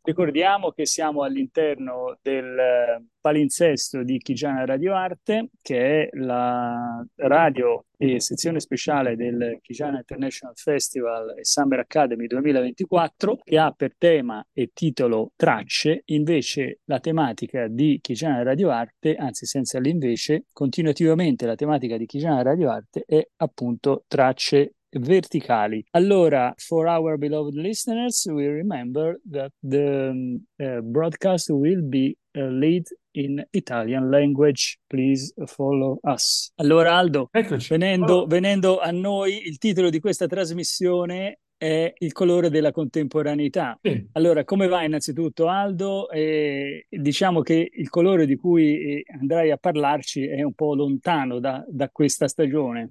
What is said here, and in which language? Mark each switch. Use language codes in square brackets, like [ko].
[it] Ricordiamo che siamo all'interno del palinsesto di Chigiana Radio Arte, che è la radio e sezione speciale del Chigiana International Festival e Summer Academy 2024, che ha per tema e titolo Tracce, invece la tematica di Chigiana Radio Arte, anzi senza l'invece, continuativamente la tematica di Chigiana Radio Arte è appunto Tracce verticali. [en] Allora, for our beloved listeners, we remember that the broadcast will be late in Italian language. Please follow us. Allora, Aldo, [it] Eccoci. Allora. venendo a noi, il titolo di questa trasmissione è Il colore della contemporaneità. Allora, come va innanzitutto, Aldo? Diciamo che il colore di cui andrai a parlarci è un po' lontano da questa stagione.